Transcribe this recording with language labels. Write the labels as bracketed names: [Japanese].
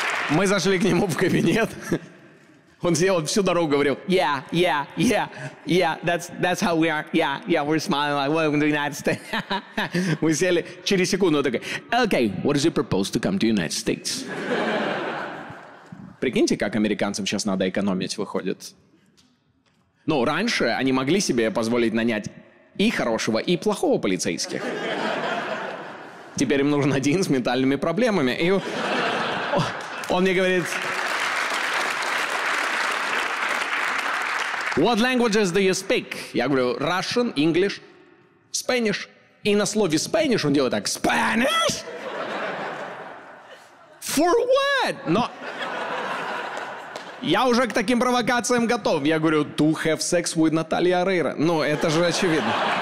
[Russian] Мы зашли к нему в кабинет. Он сделал всю дорогу, говорил, [English] yeah, yeah, yeah, yeah, that's how we are, yeah, yeah, we're smiling like, welcome to the United States. [Russian] Мы сели через секунду, такой, [English] okay, what is your proposal to come to the United States? [Russian] Прикиньте, как американцам сейчас надо экономить, выходит. Ну, раньше они могли себе позволить нанять и хорошего, и плохого полицейских. Теперь им нужен один с ментальными проблемами. И он мне говорит... [English] What languages do you speak? [Russian] Я говорю, [English] Russian, English, Spanish. [Russian] И на слове Spanish он делает так, Spanish? [English] For what? [Russian] Но я уже к таким провокациям готов. Я говорю, [English] to have sex with [Russian] Наталья Орейро. Ну, это же очевидно.